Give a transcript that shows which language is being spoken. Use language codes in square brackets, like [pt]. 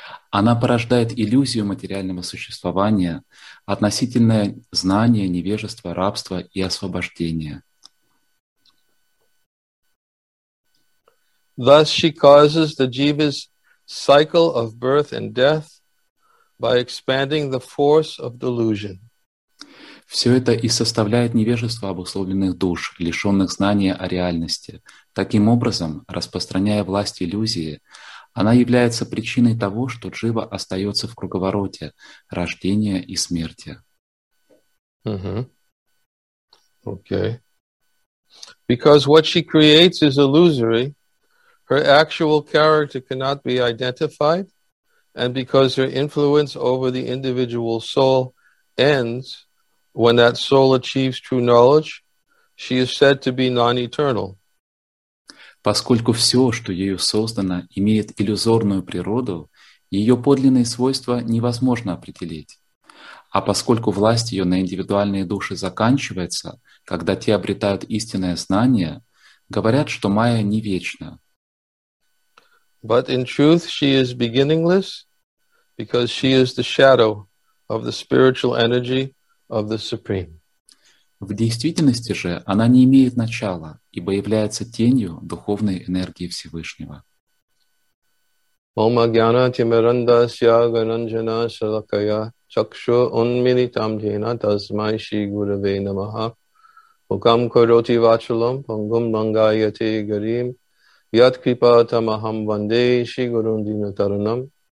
[ru] Она порождает иллюзию материального существования, относительное знание, невежество, рабство и освобождение. [en] Thus she causes the jiva's cycle of birth and death by expanding the force of delusion. [ru] Все это и составляет невежество обусловленных душ, лишенных знания о реальности. Таким образом, распространяя власть иллюзии, она является причиной того, что джива остается в круговороте рождения и смерти. Mm-hmm. Okay. [en] Because what she creates is illusory, her actual character cannot be identified, and because her influence over the individual soul ends when that soul achieves true knowledge, she is said to be non-eternal. [ru] Поскольку все, что ею создано, имеет иллюзорную природу, ее подлинные свойства невозможно определить. А поскольку власть ее на индивидуальные души заканчивается, когда те обретают истинное знание, говорят, что майя не вечна. [en] But in truth she is beginningless, because she is the shadow of the spiritual energy of the Supreme. [ru] В действительности же она не имеет начала, ибо является тенью духовной энергии Всевышнего. [sa] Ома гьяна тимиранда сья гананджана салакая чакшу унмилитам джена тасмай ши гуруве намаха укам кароти вачалам пангум бангайате гарим ят крипа тамахам ванде ши гурундина таранам